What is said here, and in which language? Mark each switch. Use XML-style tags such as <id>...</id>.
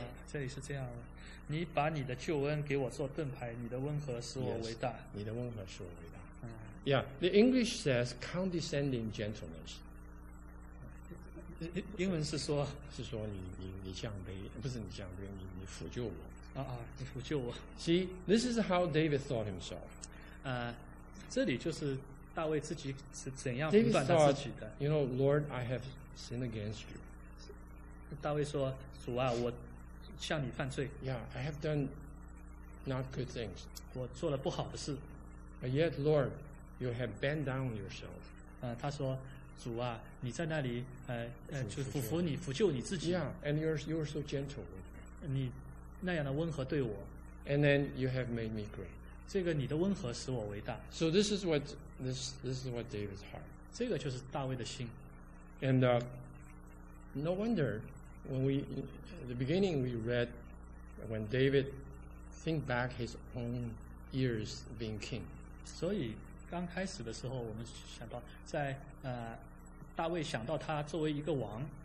<zh>这里是这样的，你把你的救恩给我做盾牌，你的温和使我伟大。 Yes, 你的温和使我伟大。</zh> <en>Yeah, the English says condescending gentleness.</en> <zh>英文是说，是说你降卑，不是你降卑，你抚救我。你抚救我。</zh> <en>See, this is how David thought himself.</en> <zh>这里就是大卫自己是怎样评断他自己的。</zh> <en>You know, Lord, I have sinned against you.</en> <zh>大卫说，主啊，我向你犯罪。</zh> <en>Yeah, I have done not good things.</en> <zh>我做了不好的事。</zh> <en>But yet, Lord, you have bent down yourself.</en> <zh>他说，主啊，你在那里，就俯伏你，俯救你自己。</zh> <en>Yeah, and you're so gentle.</en> <zh>你那样的温和对我。</zh> <en>And then you have made me great.</en> <zh>这个你的温和使我伟大。</zh> <en>So this is what David's heart.</en> <zh>这个就是大卫的心。</zh> <en>And no wonder when we in the beginning we read when David think back his own years being king.</en> <zh>所以刚开始的时候我们想到在大卫想到他作为一个王。</zh>